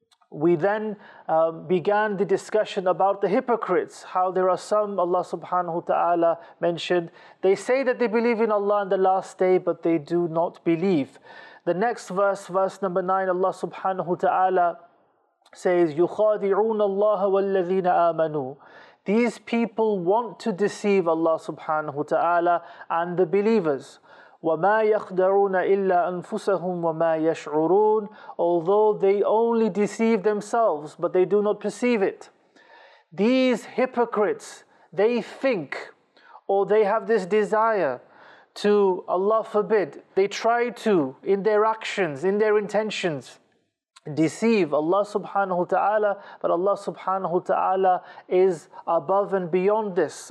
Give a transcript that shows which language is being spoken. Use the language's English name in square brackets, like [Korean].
[English] We then began the discussion about the hypocrites, how there are some, Allah subhanahu wa ta'ala mentioned, they say that they believe in Allah on the last day, but they do not believe. The next verse, verse number 9, Allah subhanahu wa ta'ala says, [Arabic] يُخَادِعُونَ اللَّهَ وَالَّذِينَ آمَنُوا. [English] These people want to deceive Allah subhanahu wa ta'ala and the believers. [Arabic] وما يخدعون إلا أنفسهم وما يشعرون. [English] Although they only deceive themselves, but they do not perceive it. These hypocrites, they think, or they have this desire to, Allah forbid, they try to, in their actions, in their intentions, deceive Allah subhanahu wa ta'ala, but Allah subhanahu wa ta'ala is above and beyond this.